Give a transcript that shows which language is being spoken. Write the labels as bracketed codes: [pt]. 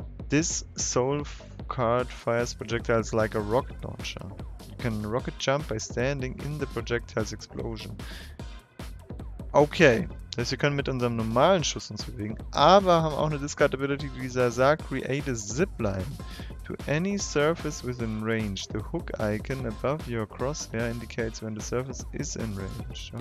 [en] This soul card fires projectiles like a rocket launcher. You can rocket jump by standing in the projectile's explosion. Okay. [de] Das heißt, wir können mit unserem normalen Schuss uns bewegen, aber haben auch eine Discard-Ability, die sagt, [en] create a zipline to any surface within range. The hook icon above your crosshair indicates when the surface is in range.